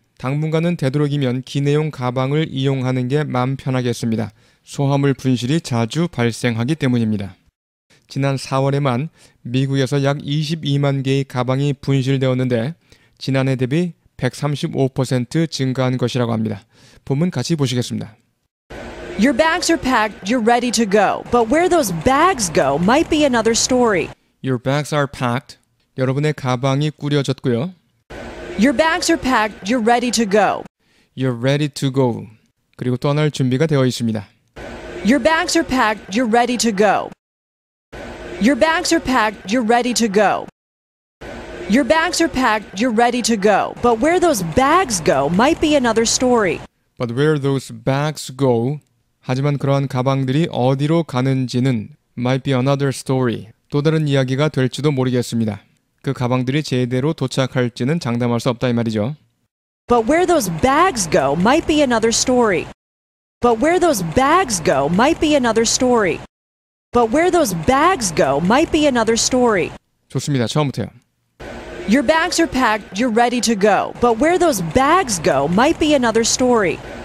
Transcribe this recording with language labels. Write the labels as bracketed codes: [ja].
[ko] 당분간은 되도록이면 기내용 가방을 이용하는 게 마음 편하겠습니다. 소화물 분실이 자주 발생하기 때문입니다. 지난 4월에만 미국에서 약 22만 개의 가방이 분실되었는데 지난해 대비 135% 증가한 것이라고 합니다. 본문 같이 보시겠습니다. [en] Your bags are packed, you're ready to go. But where those bags go might be another story. Your bags are packed. [ko] 여러분의 가방이 꾸려졌고요. [en] Your bags are packed, you're ready to go. You're ready to go. [ko] 그리고 떠날 준비가 되어 있습니다. [en] Your bags are packed, you're ready to go. Your bags are packed, you're ready to go. Your bags are packed, you're ready to go. But where those bags go might be another story. But where those bags go, [ko] 하지만 그러한 가방들이 어디로 가는지는 [en] might be another story, [ko] 또 다른 이야기가 될지도 모르겠습니다. 그 가방들이 제대로 도착할지는 장담할 수 없다 이 말이죠. [en] But where those bags go might be another story. But where those bags go might be another story. But where those bags go might be another story. [ko] 좋습니다. 처음부터요. [en] Your bags are packed, you're ready to go. But where those bags go might be another story.